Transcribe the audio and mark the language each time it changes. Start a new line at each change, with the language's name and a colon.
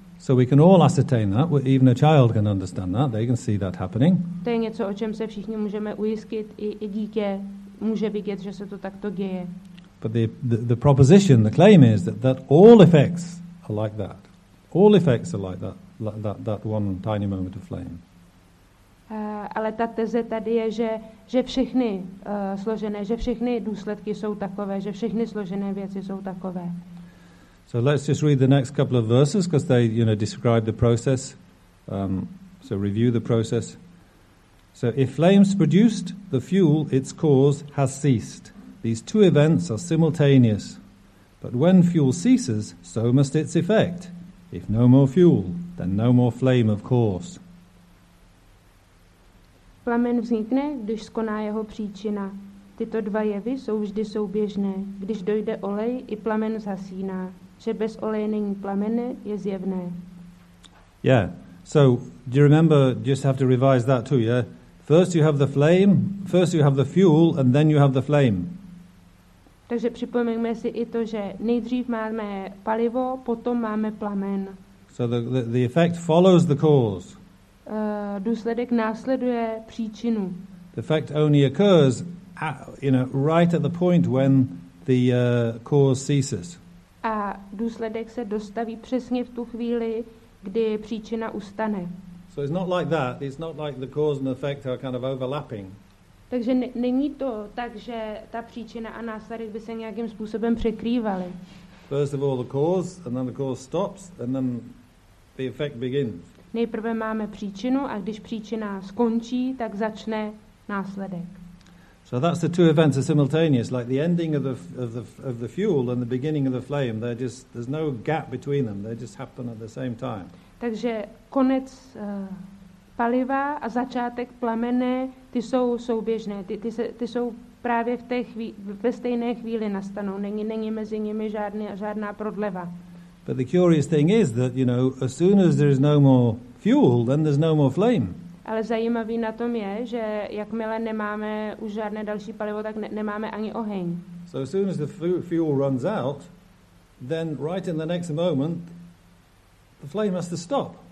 English: So we can all ascertain that, even a child can understand that, they can see that happening.
Czech: To je něco, o čem se všichni můžeme ujistit, i dítě může vidět, že se to takto děje.
English: But the proposition, the claim is that all effects are like that. All effects are like that one tiny moment of flame.
Czech: Ale ta teze tady je, že všechny složené, že všechny důsledky jsou takové, že všechny složené věci jsou takové.
English: So let's just read the next couple of verses, because they, you know, describe the process. So review the process. So if flames produced the fuel, its cause has ceased. These two events are simultaneous. But when fuel ceases, so must its effect. If no more fuel, then no more flame, of course.
Czech: Plamen vznikne, když skoná jeho příčina. Tyto dva jevy jsou vždy souběžné. Když dojde olej, i plamen zhasíná. Že bez oleje není plamene, je zjevné.
English: Yeah, so do you remember, just have to revise that too, yeah? First you have the flame, first you have the fuel, and then you have the flame.
Czech: Takže připomeňme si i to, že nejdřív máme palivo, potom máme plamen.
English: So the effect follows the cause.
Czech: Důsledek následuje příčinu.
English: The effect only occurs at, you know, right at the point when the cause ceases.
Czech: A důsledek se dostaví přesně v tu chvíli, kdy příčina ustane.
English: So it's not like that. It's not like the cause and the effect are kind of overlapping.
Czech: Takže není to tak, že ta příčina a následek by se nějakým způsobem překrývaly.
English: First of all the cause, and then the cause stops, and then the effect begins.
Czech: Nejprve máme příčinu a když příčina skončí, tak začne následek.
English: So that's the two events are simultaneous, like the ending of the fuel and the beginning of the flame. There's no gap between them. They just happen at the same time.
Czech: Takže konec paliva a začátek plamene, ty jsou souběžné. Ty jsou právě v té ve stejné chvíli nastanou. Není mezi nimi žádná prodleva.
English: But the curious thing is that, you know, as soon as there is no more fuel, then there's no more flame.
Czech: Ale zajímavý na tom je, že jakmile nemáme už žádné další palivo, tak nemáme ani oheň.
English: So as soon as the fuel runs out, then right in the next moment, the flame has to stop.